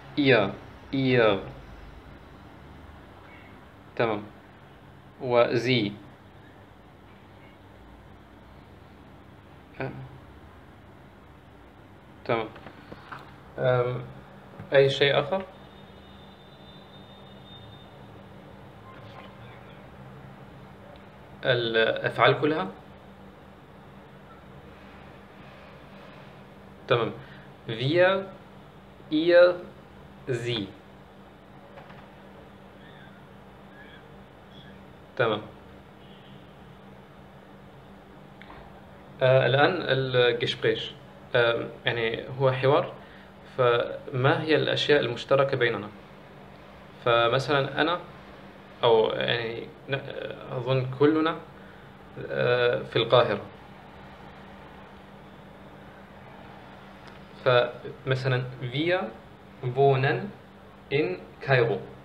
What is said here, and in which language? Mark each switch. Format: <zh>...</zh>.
<ar>ihr تمام، و زي تمام. أي شيء آخر؟ الأفعال كلها؟ تمام.</ar> <de>wir ihr sie تمام.</de> <ar>الآن الجشبريش، يعني هو حوار، فما هي الأشياء المشتركة بيننا؟ فمثلا أنا، أو يعني أظن كلنا في القاهرة، فمثلا</ar> <de>wir wohnen in Kairo.</de>